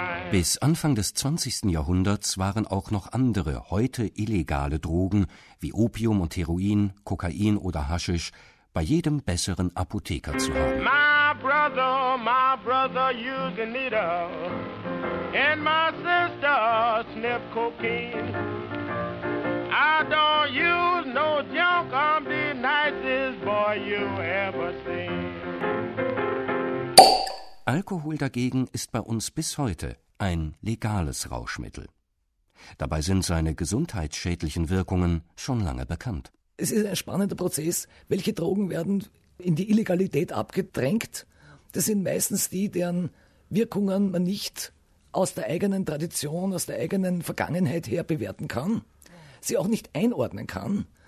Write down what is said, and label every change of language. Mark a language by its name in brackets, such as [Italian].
[German] Bis Anfang des 20. Jahrhunderts waren auch noch andere, heute illegale Drogen, wie Opium und Heroin, Kokain oder Haschisch, bei jedem besseren Apotheker zu haben. [English] My brother used a needle, and my sister sniffed cocaine. I don't use no junk, I'm the nicest boy you ever seen. [German] Alkohol dagegen ist bei uns bis heute ein legales Rauschmittel. Dabei sind seine gesundheitsschädlichen Wirkungen schon lange bekannt. Es ist ein spannender Prozess. Welche Drogen werden in die Illegalität abgedrängt? Das sind meistens die, deren Wirkungen man nicht aus der eigenen Tradition, aus der eigenen Vergangenheit her bewerten kann, sie auch nicht einordnen kann.